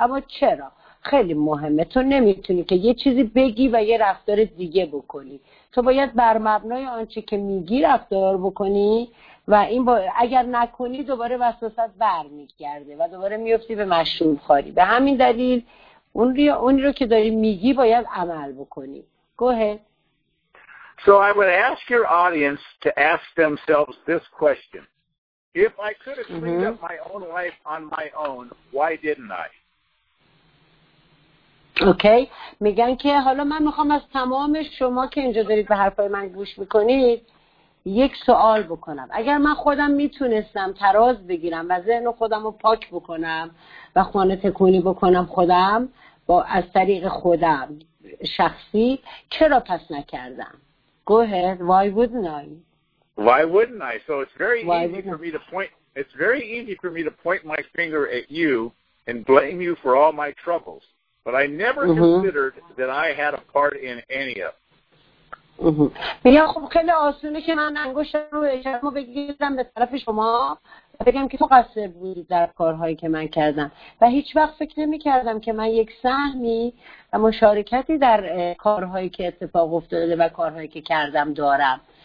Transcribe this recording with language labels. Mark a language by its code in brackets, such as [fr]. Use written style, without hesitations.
[fa] اما چرا؟ خیلی مهمه. تو نمیتونی که یه چیزی بگی و یه رفتار دیگه بکنی. تو باید بر مبنای آنچه که میگی رفتار بکنی و این اگر نکنی دوباره وسوسه برمیگرده و دوباره میفتی به مشروب خاری. به همین دلیل اونی رو که داری میگی باید عمل بکنی. [en] گوه So I would ask your audience to ask themselves this question. If I could have cleaned up my own life on my own, why didn't I? Okay. [fa] میگن که حالا من میخوام از تمام شما که اینجا دارید به حرفای من گوش میکنید یک سوال بکنم. اگر من خودم میتونستم تراز بگیرم و ذهن خودم رو پاک بکنم و خانه تکونی بکنم خودم با از طریق خودم شخصی چرا پس نکردم. [en] Go ahead. Why wouldn't I? Why wouldn't I? So it's very easy for me to point. It's very easy for me to point my finger at you and blame you for all my troubles. But I never considered that I had a part in any of. [fa] میگم خب خیلی آسونه که من انگشت رو شما بگیرم به طرف شما و بگم که مقصر بودید در کارهایی که من کردم و هیچ وقت فکر نمی کردم که من یک سهمی و مشارکتی در کارهایی که اتفاق افتاده و کارهایی که کردم دارم.